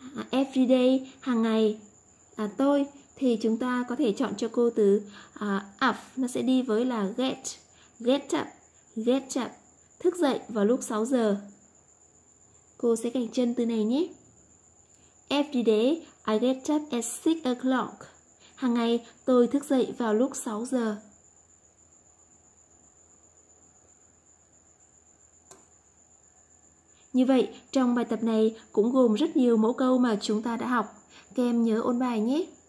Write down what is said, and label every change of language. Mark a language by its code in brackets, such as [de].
[en] Every day, [vi] hàng ngày. Tôi thì chúng ta có thể chọn cho cô từ up, nó sẽ đi với là get. [en] Get up, [vi] thức dậy vào lúc 6 giờ. Cô sẽ gạch chân từ này nhé. [en] Every day I get up at 6 o'clock. [vi] Hàng ngày tôi thức dậy vào lúc 6 giờ. Như vậy, trong bài tập này cũng gồm rất nhiều mẫu câu mà chúng ta đã học. Các em nhớ ôn bài nhé.